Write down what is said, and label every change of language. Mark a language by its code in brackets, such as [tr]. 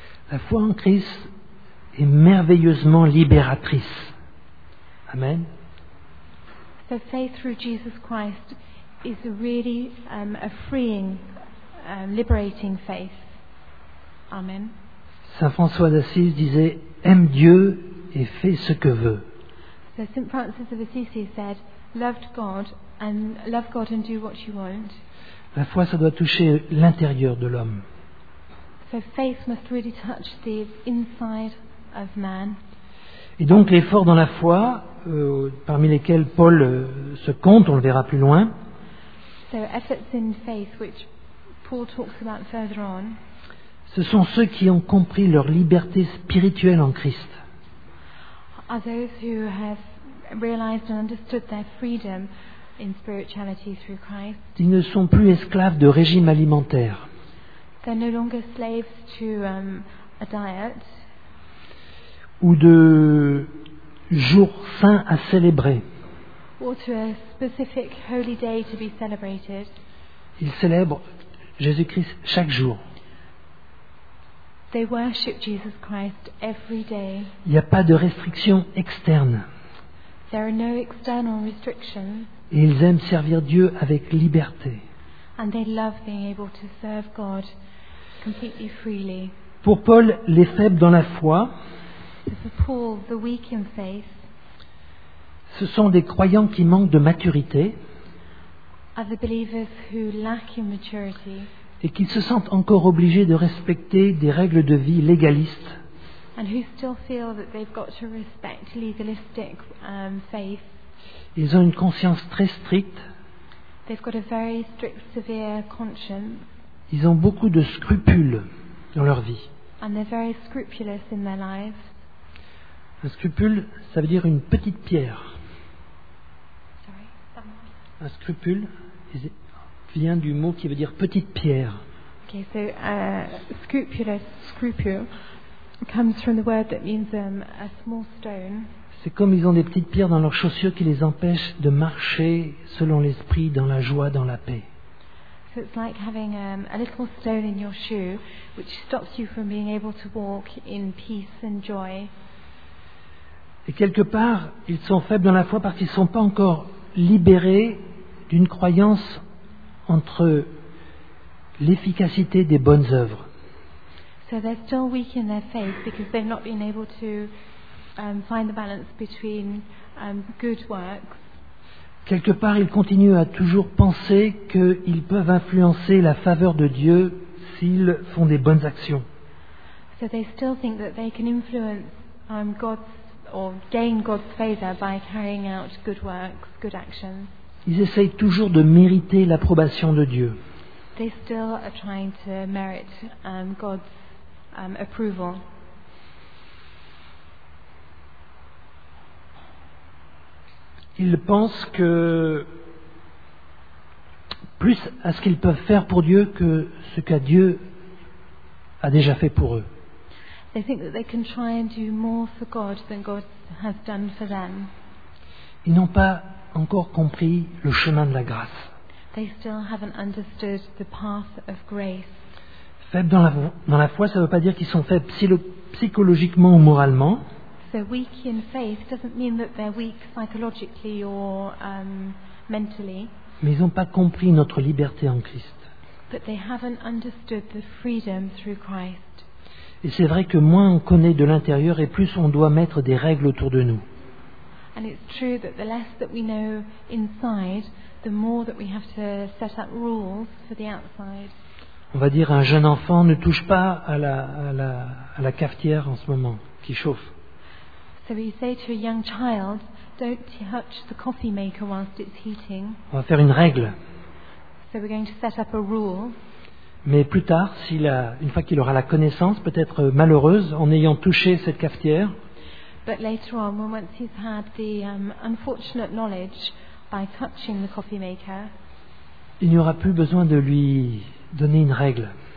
[fr] La foi en Christ est merveilleusement libératrice. Amen. [en] So faith through Jesus Christ is really a freeing, liberating faith. Amen. [fr] Saint François d'Assise disait « Aime Dieu et fais ce que veut. » [en] So Saint Francis of Assisi said, love God and do what you want. [fr] La foi, ça doit toucher l'intérieur de l'homme. [en] So faith must really touch the inside of man. [fr] Et donc l'effort dans la foi, parmi lesquels Paul se compte, on le verra plus loin. [en] So efforts in faith, which Paul talks about further on. [fr] Ce sont ceux qui ont compris leur liberté spirituelle en Christ. [en] Are those who have realized and understood their freedom in spirituality through Christ. [fr] Ils ne sont plus esclaves de régimes alimentaires. [en] They're no longer slaves to a diet. [fr] Ou de jours saints à célébrer. [en] Or to a specific holy day to be celebrated. [fr] Ils célèbrent Jésus-Christ chaque jour. [en] They worship Jesus Christ every day. [fr] Il n'y a pas de restrictions externes. [en] There are no external restrictions. [fr] Et ils aiment servir Dieu avec liberté. [en] And they love being able to serve God completely freely. [fr] Pour Paul, les faibles dans la foi, [en] for Paul, the weak in faith, [fr] ce sont des croyants qui manquent de maturité, [en] are the believers who lack in maturity, [fr] et qu'ils se sentent encore obligés de respecter des règles de vie légalistes. [en] And who still feel that they've got to respect legalistic, faith. [fr] Ils ont une conscience très stricte. [en] They've got a very strict, severe conscience. [fr] Ils ont beaucoup de scrupules dans leur vie. [en] And they're very scrupulous in their lives. [fr] Un scrupule, ça veut dire une petite pierre. Un scrupule, vient du mot qui veut dire petite pierre. [en] Okay, so scrupulous, scrupule, comes from the word that means a small stone. [fr] C'est comme ils ont des petites pierres dans leurs chaussures qui les empêchent de marcher selon l'esprit, dans la joie, dans la paix. [en] So it's like having a little stone in your shoe, which stops you from being able to walk in peace and joy. [fr] Et quelque part, ils sont faibles dans la foi parce qu'ils ne sont pas encore libérés d'une croyance entre l'efficacité des bonnes œuvres. [en] So they're still weak in their faith because they've not been able to find the balance between good works. [fr] Quelque part, ils continuent à toujours penser qu'ils peuvent influencer la faveur de Dieu s'ils font des bonnes actions. [en] So they still think that they can influence God's or gain God's favor by carrying out good works, good actions. [fr] Ils essayent toujours de mériter l'approbation de Dieu. [en] They still are trying to merit God's approval. [fr] Ils pensent que plus à ce qu'ils peuvent faire pour Dieu que ce que Dieu a déjà fait pour eux. [en] They think that they can try and do more for God than God has done for them. [fr] Ils n'ont pas encore compris le chemin de la grâce. [en] They still haven't understood the path of grace. [fr] Faibles dans la foi, ça ne veut pas dire qu'ils sont faibles psychologiquement ou moralement. [en] So weak in faith doesn't mean that they're weak psychologically or mentally. [fr] Mais ils n'ont pas compris notre liberté en Christ. [en] But they haven't understood the freedom through Christ. [fr] Et c'est vrai que moins on connaît de l'intérieur et plus on doit mettre des règles autour de nous. [en] And it's true that the less that we know inside, the more that we have to set up rules for the outside. [fr] On va dire un jeune enfant ne touche pas à la cafetière en ce moment qui chauffe. [en] So we say to a young child, don't touch the coffee maker whilst it's heating. [fr] On va faire une règle. [en] So we're going to set up a rule. [fr] Mais plus tard, une fois qu'il aura la connaissance, peut-être malheureuse, en ayant touché cette cafetière. [en] But later on, when once he's had the unfortunate knowledge by touching the coffee maker, [fr] il n'y aura plus besoin de lui donner une règle.